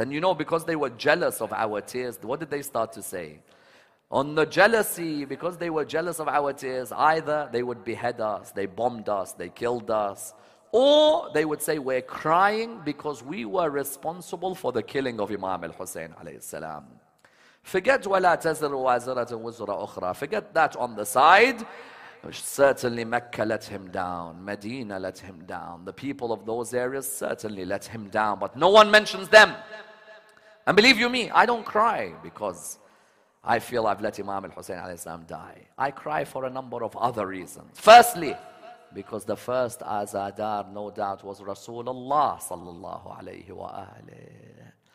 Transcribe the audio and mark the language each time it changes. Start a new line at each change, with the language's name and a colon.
English: And you know, because they were jealous of our tears, what did they start to say? On the jealousy, because they were jealous of our tears, either they would behead us, they bombed us, they killed us, or they would say, we're crying because we were responsible for the killing of Imam al-Hussein alayhi salam. Forget
Arabic: وَلَا تَزِرُ وَازِرَةٍ وِزْرَ أُخْرَى.
English: Forget that on the side. Certainly Mecca let him down. Medina let him down. The people of those areas certainly let him down. But no one mentions them. And believe you me, I don't cry because I feel I've let Imam al-Hussein alayhi salam die. I cry for a number of other reasons. Firstly, because the first Azadar, no doubt, was Rasulullah sallallahu alayhi wa alayhi.